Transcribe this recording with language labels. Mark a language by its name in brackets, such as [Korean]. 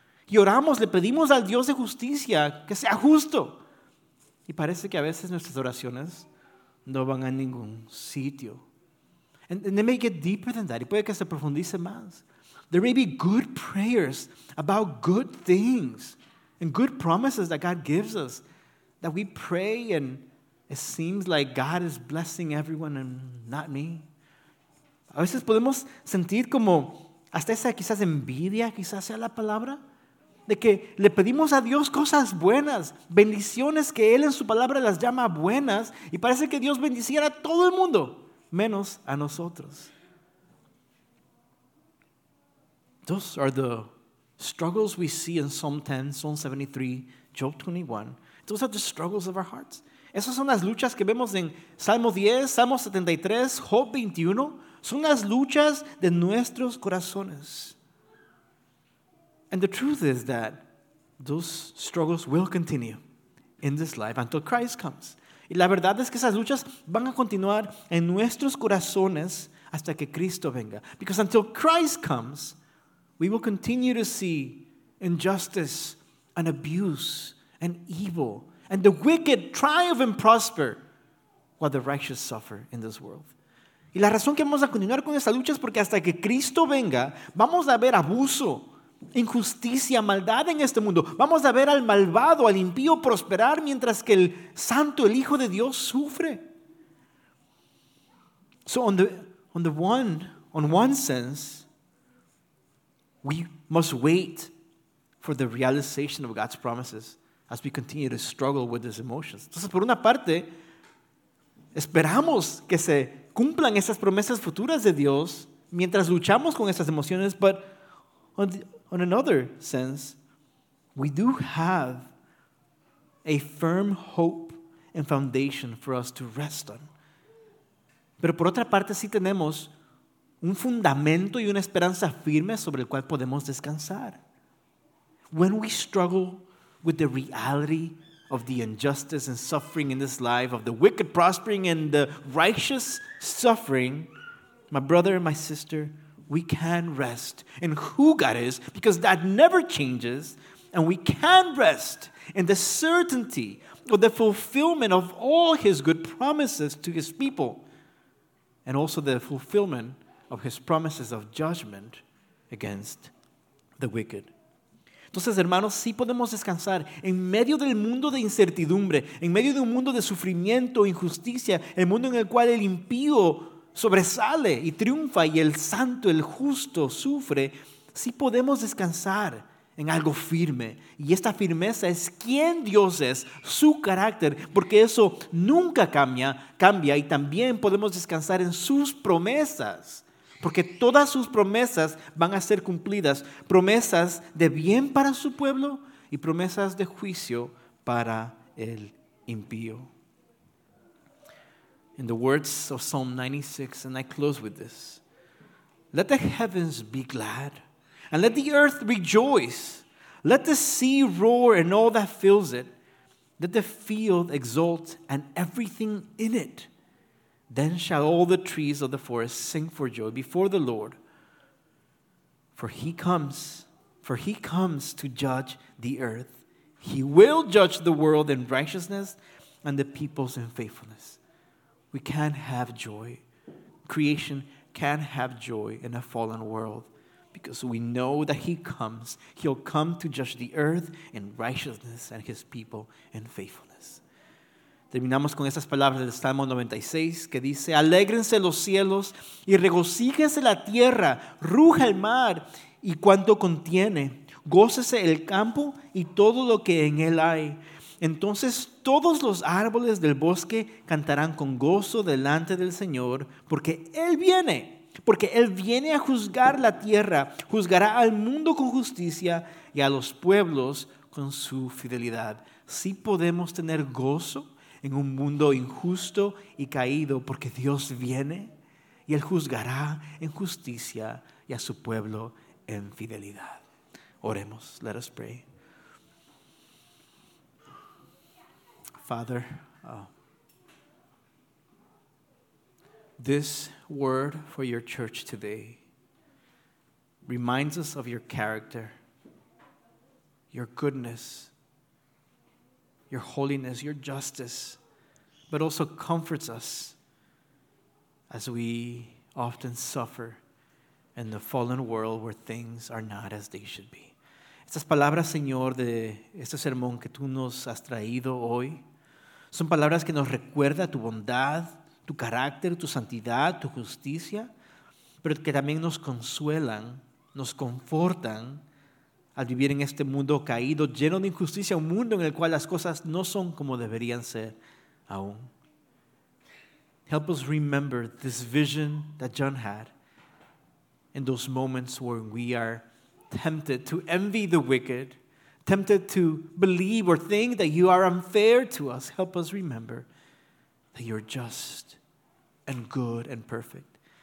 [Spanish] Y oramos, le pedimos al Dios de justicia que sea justo. Y parece que a veces nuestras oraciones no van a ningún sitio. [English] And they may get deeper than that. [Spanish] Y puede que se profundice más. [English] There may be good prayers about good things and good promises that God gives us that we pray and it seems like God is blessing everyone and not me. [Spanish] A veces podemos sentir como hasta esa quizás envidia, quizás sea la palabra, de que le pedimos a Dios cosas buenas, bendiciones que Él en su palabra las llama buenas, y parece que Dios bendiciera a todo el mundo, menos a nosotros. [English] Those are the struggles we see in Psalm 10, Psalm 73, Job 21. Those are the struggles of our hearts. [Spanish] Esas son las luchas que vemos en Salmo 10, Salmo 73, Job 21. Son las luchas de nuestros corazones. [English] And the truth is that those struggles will continue in this life until Christ comes. [Spanish] Y la verdad es que esas luchas van a continuar en nuestros corazones hasta que Cristo venga. [English] Because until Christ comes, we will continue to see injustice and abuse and evil and the wicked triumph and prosper while the righteous suffer in this world. [Spanish] Y la razón que vamos a continuar con esta lucha es porque hasta que Cristo venga, vamos a ver abuso, injusticia, maldad en este mundo. Vamos a ver al malvado, al impío prosperar mientras que el santo, el Hijo de Dios, sufre. [English] So on one sense, we must wait for the realization of God's promises as we continue to struggle with these emotions. [Spanish] Entonces, por una parte, esperamos que se cumplan esas promesas futuras de Dios mientras luchamos con esas emociones, [English] but on another sense, we do have a firm hope and foundation for us to rest on. [Spanish] Pero por otra parte, sí tenemos un fundamento y una esperanza firme sobre el cual podemos descansar. [English] When we struggle with the reality of the injustice and suffering in this life, of the wicked prospering and the righteous suffering, my brother and my sister, we can rest in who God is because that never changes, and we can rest in the certainty of the fulfillment of all His good promises to His people and also the fulfillment of His promises of judgment against the wicked. [Spanish] Entonces, hermanos, sí podemos descansar en medio del mundo de incertidumbre, en medio de un mundo de sufrimiento, injusticia, el mundo en el cual el impío sobresale y triunfa y el santo, el justo, sufre. Sí podemos descansar en algo firme. Y esta firmeza es quién Dios es, su carácter, porque eso nunca cambia y también podemos descansar en sus promesas. Porque todas sus promesas van a ser cumplidas. Promesas de bien para su pueblo y promesas de juicio para el impío. [English] In the words of Psalm 96, and I close with this. Let the heavens be glad, and let the earth rejoice. Let the sea roar and all that fills it. Let the field exult and everything in it. Then shall all the trees of the forest sing for joy before the Lord. For he comes to judge the earth. He will judge the world in righteousness and the peoples in faithfulness. We can have joy. Creation can have joy in a fallen world because we know that he comes. He'll come to judge the earth in righteousness and his people in faithfulness. [Spanish] Terminamos con estas palabras del Salmo 96 que dice: Alégrense los cielos y regocíjense la tierra, ruja el mar y cuanto contiene, gócese el campo y todo lo que en él hay. Entonces todos los árboles del bosque cantarán con gozo delante del Señor, porque Él viene a juzgar la tierra, juzgará al mundo con justicia y a los pueblos con su fidelidad. ¿Sí podemos tener gozo en un mundo injusto y caído, porque Dios viene y él juzgará en justicia y a su pueblo en fidelidad. Oremos. [English] Let us pray. Father, this word for your church today reminds us of your character, your goodness, your holiness, your justice, but also comforts us as we often suffer in the fallen world where things are not as they should be. [Spanish] Estas palabras, Señor, de este sermón que tú nos has traído hoy, son palabras que nos recuerda tu bondad, tu carácter, tu santidad, tu justicia, pero que también nos consuelan, nos confortan al vivir en este mundo caído, lleno de injusticia, un mundo en el cual las cosas no son como deberían ser aún. [English] Help us remember this vision that John had in those moments where we are tempted to envy the wicked, tempted to believe or think that you are unfair to us. Help us remember that you're just and good and perfect.